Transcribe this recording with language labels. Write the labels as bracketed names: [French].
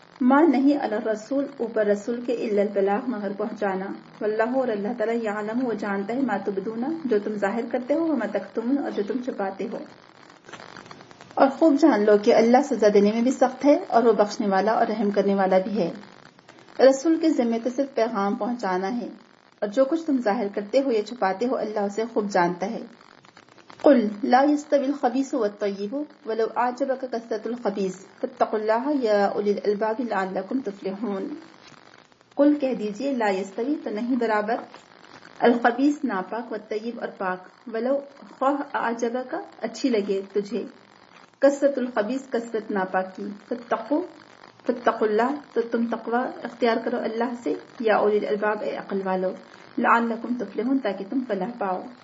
[Arabic] ما [Urdu] نہیں [Arabic] علی الرسول، [Urdu] اوپر رسول کے، [Arabic] الا البلاغ [Urdu] مگر پہنچانا، [Arabic] واللہ [Urdu] اور اللہ تعالیٰ [Arabic] یعلم [Urdu] وہ جانتا ہے، [Arabic] ما تبدون [Urdu] جو تم ظاہر کرتے ہو، [Arabic] وما تکتمون [Urdu] اور جو تم چھپاتے ہو. اور خوب جان لو کہ اللہ سزا دینے میں بھی سخت ہے اور وہ بخشنے والا اور رحم کرنے والا بھی ہے. رسول کے ذمہ تو صرف پیغام پہنچانا ہے، اور جو کچھ تم ظاہر کرتے ہو یا چھپاتے ہو اللہ اسے خوب جانتا ہے. [Arabic] قل لا يستوي الخبيث والطيب ولو اعجبك كثرة الخبيث فاتقوا الله يا اولي الالباب لعلكم تفلحون. قل [Urdu] کہہ دیجئے، [Arabic] لا يستوي [Urdu] تو نہیں برابر، [Arabic] الخبيث [Urdu] ناپاک، [Arabic] والطيب [Urdu] اور پاک، [Arabic] ولو [Urdu] خواہ [Arabic] اعجبك [Urdu] اچھی لگے تجھے، [Arabic] كثرة الخبيث [Urdu] کثرت ناپاکی، [Arabic] فاتقوا الله [Urdu] تو تم تقوا اختیار کرو اللہ سے، [Arabic] یا اولی الالباب [Urdu] اے عقل والو، [Arabic] لعلكم تفلحون [Urdu] تاکہ تم فلاح پاؤ.